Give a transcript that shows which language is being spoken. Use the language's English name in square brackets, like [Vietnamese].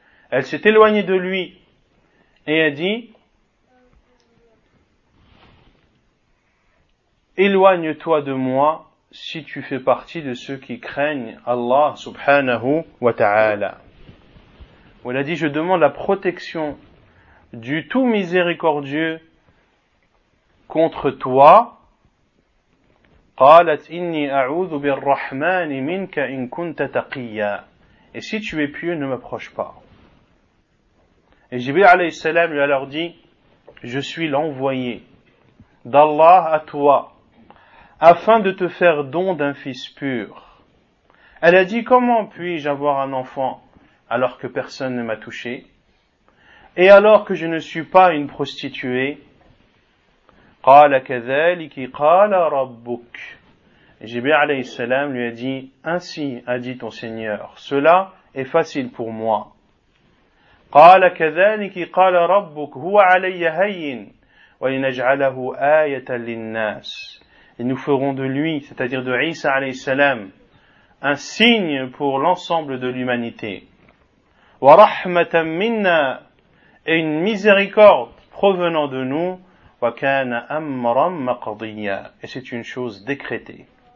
[French] Elle s'est éloignée de lui et a dit, éloigne-toi de moi si tu fais partie de ceux qui craignent Allah subhanahu wa ta'ala. Elle a dit, je demande la protection du tout miséricordieux contre toi. [Arabic] قالت إني أعوذ بالرحمن منك إن كنت تقيا. [French] Et si tu es pieux, ne m'approche pas. Et Jibril alayhi salam lui a alors dit, je suis l'envoyé d'Allah à toi afin de te faire don d'un fils pur. Elle a dit, comment puis-je avoir un enfant alors que personne ne m'a touché et alors que je ne suis pas une prostituée? [Arabic] قال كذلك قال ربك. [French] Jibril alayhi salam lui a dit, ainsi a dit ton Seigneur, cela est facile pour moi. [Arabic] قال كذلك قال ربك هو علي هين ولنجعله آية للناس. [French] Et nous ferons de lui, c'est-à-dire de Isa alayhi salam, un signe pour l'ensemble de l'humanité. [Arabic] ورحمة منا, [French] et une miséricorde provenant de nous. [Arabic] وَكَانَ أَمْرًا مَقْضِيًّا. [French] Et c'est une chose décrétée.